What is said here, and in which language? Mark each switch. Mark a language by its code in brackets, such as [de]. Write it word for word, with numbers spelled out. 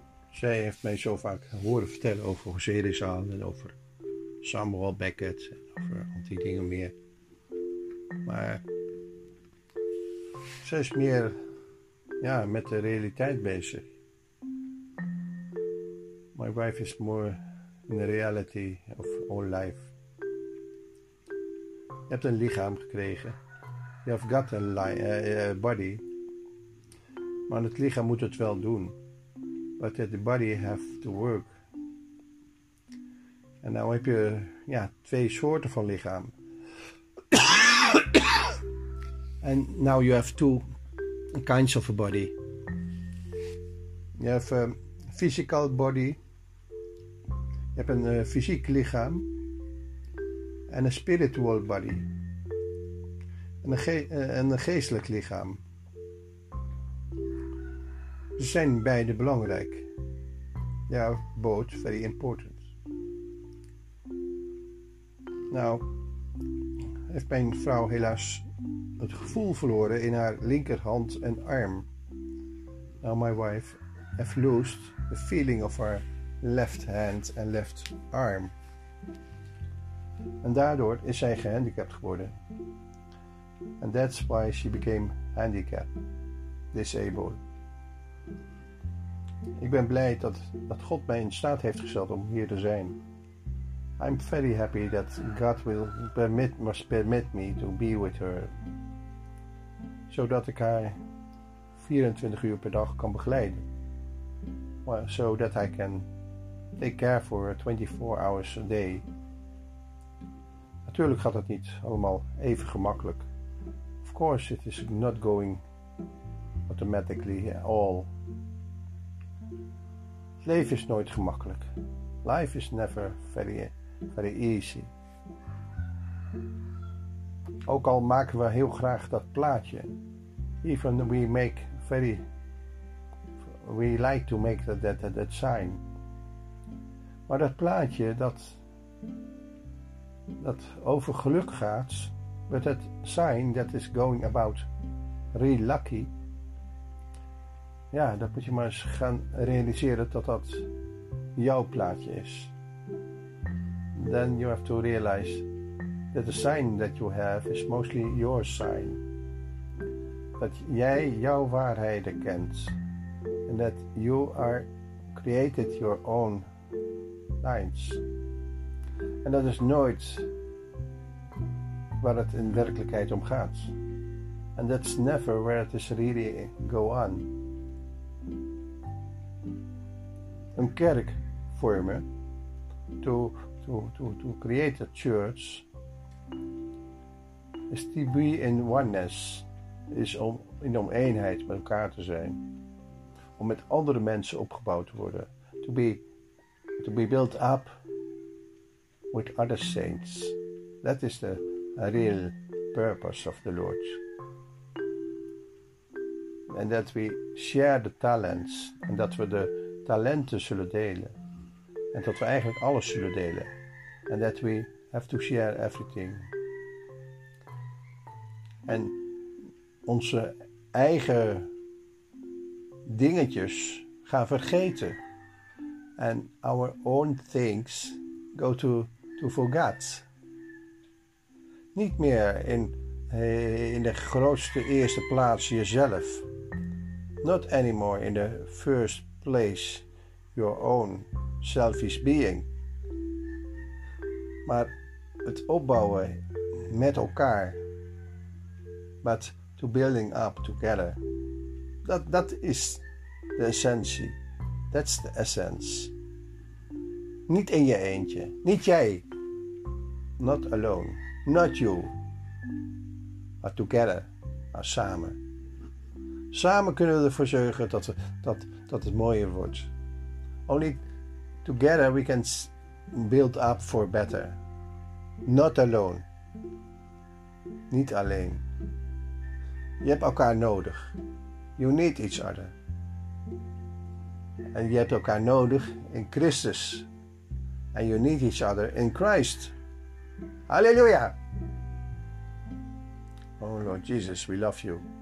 [nl] Zij heeft mij zo vaak horen vertellen over Hosea's en over Samuel Beckett en over al die dingen meer. Maar zij is meer, ja, met de realiteit bezig. [en] My wife is more in the reality of our life. [nl] Je hebt een lichaam gekregen. [en] You have got a li- uh, body. [nl] Maar het lichaam moet het wel doen. [en] But the body have to work. [nl] En nou heb je, ja, twee soorten van lichaam. [en] And now you have two kinds of a body. [nl] Je hebt een [en] physical body. [nl] Je hebt een uh, fysiek lichaam. En een [en] spiritual body. [nl] En een, ge- uh, en een geestelijk lichaam. Ze zijn beide belangrijk. Ja, [en] both very important. [nl] Nou, heeft mijn vrouw helaas het gevoel verloren in haar linkerhand en arm. [en] Now my wife has lost the feeling of her left hand and left arm. [nl] En daardoor is zij gehandicapt geworden. [en] And that's why she became handicapped, disabled. [nl] Ik ben blij dat, dat God mij in staat heeft gesteld om hier te zijn. [en] I'm very happy that God will permit, must permit me to be with her. [nl] Zodat ik haar vierentwintig uur per dag kan begeleiden. [en] Well, so that I can take care for her twenty-four hours a day. [nl] Natuurlijk gaat dat niet allemaal even gemakkelijk. [en] Of course it is not going automatically at all. [nl] Het leven is nooit gemakkelijk. [en] Life is never very very easy. [nl] Ook al maken we heel graag dat plaatje. [en] Even we make very we like to make that that that, that sign. [nl] Maar dat plaatje dat dat over geluk gaat, [en] but that sign that is going about really lucky. [nl] Ja, dat moet je maar eens gaan realiseren dat dat jouw plaatje is. [en] Then you have to realize that the sign that you have is mostly your sign. [nl] Dat jij jouw waarheden kent. [en] And that you are created your own lines. [nl] En dat is nooit waar het in werkelijkheid om gaat. [en] And that's never where it is really go on. [nl] Een kerk vormen, [en] to, to, to, to create a church, is to be in oneness, [nl] is om in om eenheid met elkaar te zijn, om met andere mensen opgebouwd te worden. [en] To be, to be built up with other saints. That is the real purpose of the Lord. And that we share the talents. [nl] En dat we de talenten zullen delen. En dat we eigenlijk alles zullen delen. [en] And that we have to share everything. [nl] En onze eigen dingetjes gaan vergeten. [en] And our own things go to, to forget. [nl] Niet meer in, in de grootste eerste plaats jezelf. [en] Not anymore in the first place your own selfish being. [nl] Maar het opbouwen met elkaar. [en] But to building up together. [nl] Dat, dat is de essentie. [en] That's the essence. [nl] Niet in je eentje. Niet jij. [en] Not alone. Not you. But together. [nl] Maar samen. Samen kunnen we ervoor zorgen dat, we, dat, dat het mooier wordt. [en] Only together we can build up for better. Not alone. [nl] Niet alleen. Je hebt elkaar nodig. [en] You need each other. [nl] En je hebt elkaar nodig in Christus. [en] And you need each other in Christ. Halleluja! Oh Lord Jesus, we love you.